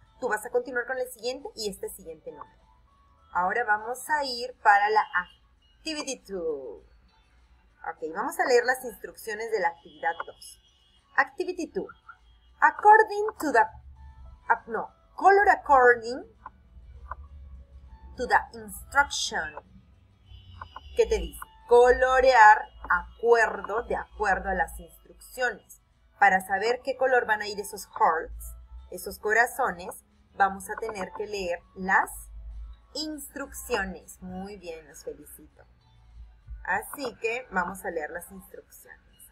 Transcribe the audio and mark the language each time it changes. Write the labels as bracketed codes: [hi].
[es] Tú vas a continuar con el siguiente y este siguiente número. Ahora vamos a ir para la activity 2. Okay, vamos a leer las instrucciones de la actividad 2. [en] Activity 2. According to the color according to the instruction. [es] ¿Qué te dice? Colorear de acuerdo a las instrucciones. Para saber qué color van a ir esos hearts, esos corazones, vamos a tener que leer las instrucciones. Muy bien, los felicito. Así que vamos a leer las instrucciones.